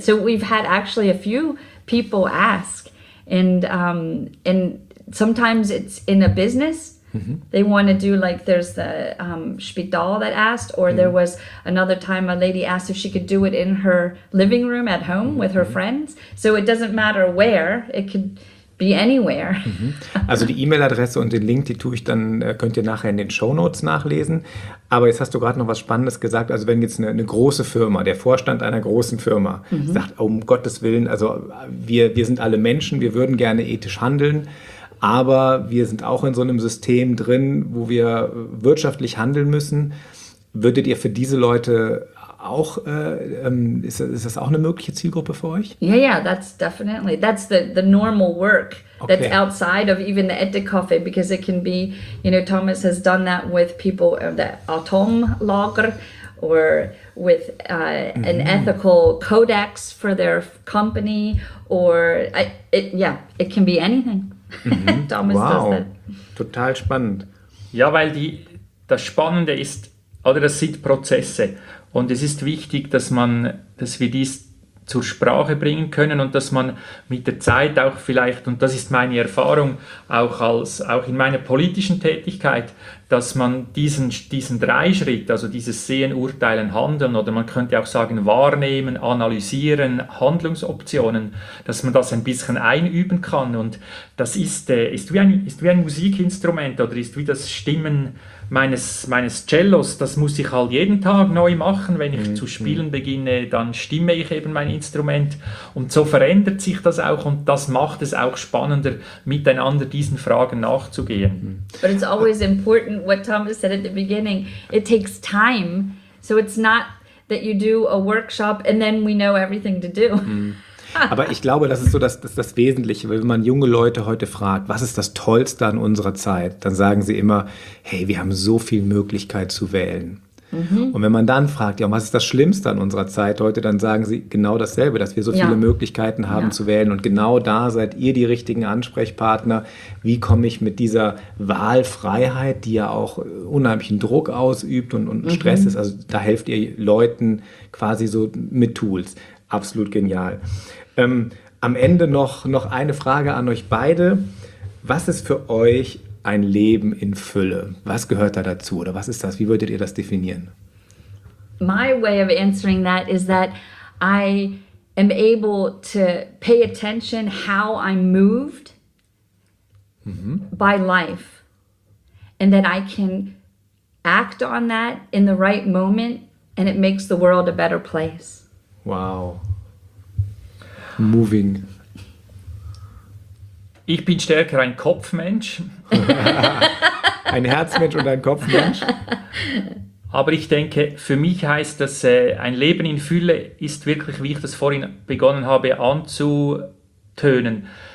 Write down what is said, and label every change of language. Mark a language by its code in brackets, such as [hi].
[en] So we've had actually a few people ask, and sometimes it's in a business. Mm-hmm. They want to do, like, there's the Spital that asked, or there was another time a lady asked if she could do it in her living room at home with her friends. So it doesn't matter where, it could be anywhere. [de] Also die E-Mail-Adresse und den Link, die tue ich dann, könnt ihr nachher in den Shownotes nachlesen. Aber jetzt hast du gerade noch was Spannendes gesagt. Also wenn jetzt eine große Firma, der Vorstand einer großen Firma sagt, um Gottes Willen, also wir sind alle Menschen, wir würden gerne ethisch handeln, aber wir sind auch in so einem System drin, wo wir wirtschaftlich handeln müssen. Würdet ihr für diese Leute auch, ist das auch eine mögliche Zielgruppe für euch? [en] Yeah, yeah, that's definitely, that's the normal work that's outside of even the Ethic Coffee, because it can be, you know, Thomas has done that with people of the Atomlager or with an ethical codex for their company it can be anything. [de] Wow, total spannend. Ja, weil das Spannende ist, oder das sind Prozesse. Und es ist wichtig, dass wir dies zur Sprache bringen können und dass man mit der Zeit auch vielleicht, und das ist meine Erfahrung auch in meiner politischen Tätigkeit, dass man diesen Dreischritt, also dieses Sehen, Urteilen, Handeln, oder man könnte auch sagen Wahrnehmen, Analysieren, Handlungsoptionen, dass man das ein bisschen einüben kann. Und das ist wie ein Musikinstrument oder ist wie das Stimmen meines Cellos. Das muss ich halt jeden Tag neu machen. Wenn ich zu spielen beginne, dann stimme ich eben mein Instrument. Und so verändert sich das auch, und das macht es auch spannender, miteinander diesen Fragen nachzugehen. [en] But it's always important what Thomas said at the beginning. It takes time. So it's not that you do a workshop and then we know everything to do. [de] Aber ich glaube, das ist so das Wesentliche, weil wenn man junge Leute heute fragt, was ist das Tollste an unserer Zeit, dann sagen sie immer, hey, wir haben so viel Möglichkeit zu wählen. Und wenn man dann fragt, ja, was ist das Schlimmste an unserer Zeit heute, dann sagen sie genau dasselbe, dass wir so viele Möglichkeiten haben zu wählen. Und genau da seid ihr die richtigen Ansprechpartner. Wie komme ich mit dieser Wahlfreiheit, die ja auch unheimlichen Druck ausübt und Stress ist, also da helft ihr Leuten quasi so mit Tools. Absolut genial. Am Ende noch eine Frage an euch beide. Was ist für euch ein Leben in Fülle? Was gehört da dazu? Oder was ist das? Wie würdet ihr das definieren? [en] My way of answering that is that I am able to pay attention how I'm moved by life. And that I can act on that in the right moment and it makes the world a better place. Wow. Moving. [de] Ich bin stärker ein Kopfmensch. Ein Herzmensch und ein Kopfmensch. Aber ich denke, für mich heißt das, ein Leben in Fülle ist wirklich, wie ich das vorhin begonnen habe, anzutönen.